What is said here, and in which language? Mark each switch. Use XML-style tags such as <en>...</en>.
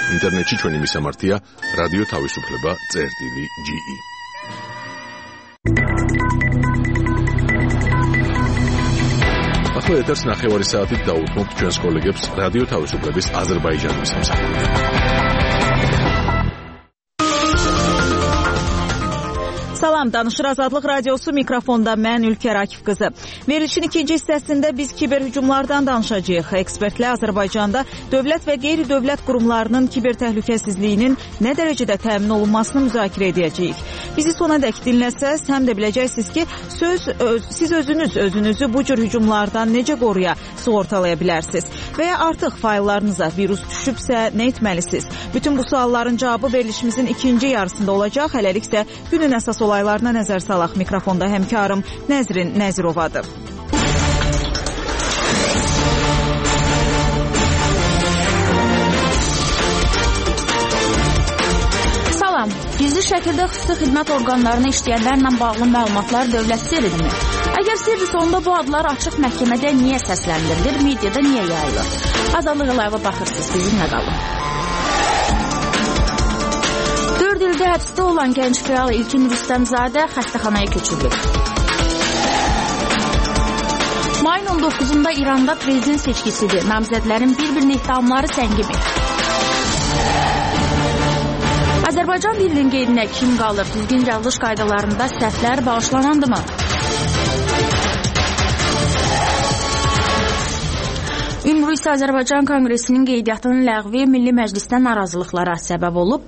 <ka>ინტერნეტში ჩვენი მისამართია radiotavisupleba.ge. ახლა ეთერს 9:30 საათით დაუთმობთ ჩვენს კოლეგებს რადიო თავისუფლების აზერბაიჯანის სამსახურიდან.</ka> <az>Salam, Danışır Azadlıq Radiosu mikrofonda mən Ülker Akifqızı. Verilişin ikinci hissəsində biz kiber hücumlardan danışacağıq. Ekspertlə Azərbaycanda dövlət və qeyri-dövlət qurumlarının kiber təhlükəsizliyinin nə dərəcədə təmin olunmasını müzakirə edəcəyik. Bizi sona dək dinləsəz, həm də biləcəksiniz ki, siz özünüz özünüzü bu cür hücumlardan necə qoruya sığortalaya bilərsiniz? Və ya artıq fayllarınıza virus düşübsə nə etməlisiniz? Bütün bu sualların cavabı verilişimizin ikinci yarısında olacaq. Hələlik isə günün əsas olaylarına nəzər salaq. Mikrofonda həmkarım Nəzrin Nəzirovadır. Salam. Gizli şəkildə xüsusi xidmət orqanlarına işləyənlərlə bağlı məlumatlar dövlət sirridirmi? Əgər sirdirsə, onda bu adlar açıq məhkəmədə niyə səsləndirilir, mediada niyə yayılır? Azadlıq əlavə baxırsınız, sizinlə qalın. 4 ildə həbsdə olan gənc fəal İlkin Rüstəmzadə xəstəxanaya köçürülüb. Mayın 19-da İranda prezident seçkisidir. Namizədlərin bir-birinə ittihamları səngimi. Azərbaycan dilinin qeydinə kim qalır? Düzgün yazılış qaydalarında səhvlər bağışlanandı mı? Ümumrus Azərbaycan Konqresinin qeydiyyatının ləğvi Milli Məclisdən narazılıqlara səbəb olub.</az>